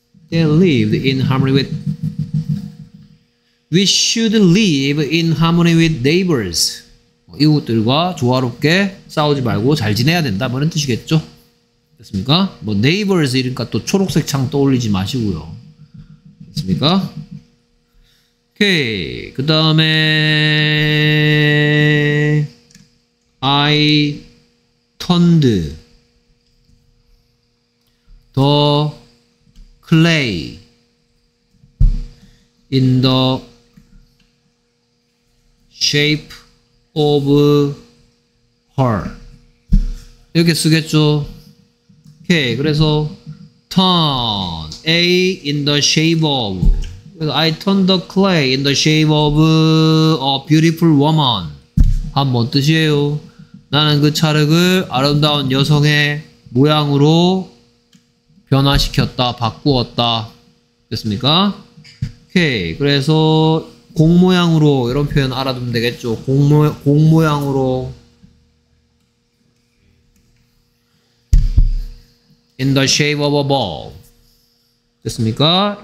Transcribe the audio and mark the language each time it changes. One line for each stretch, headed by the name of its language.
English: They lived in harmony with We should live in harmony with neighbors.
Korean: 이웃들과 조화롭게 싸우지 말고 잘 지내야 된다 그런 뜻이겠죠? 됐습니까? 뭐 neighbors 이러니까 또 초록색 창 떠올리지 마시고요. 됐습니까? 오케이. 그 다음에
English: I turned the clay in the shape of her.
Korean: 이렇게 쓰겠죠. 오케이. 그래서
English: turn A in the shape of. I turned the clay in the shape of a beautiful woman.
Korean: 한 뭔 뜻이에요? 나는 그 찰흙을 아름다운 여성의 모양으로 변화시켰다, 바꾸었다. 됐습니까? 오케이. 그래서 공 모양으로 이런 표현 알아두면 되겠죠. 공 모양으로
English: in the shape of a ball.
Korean: 됐습니까?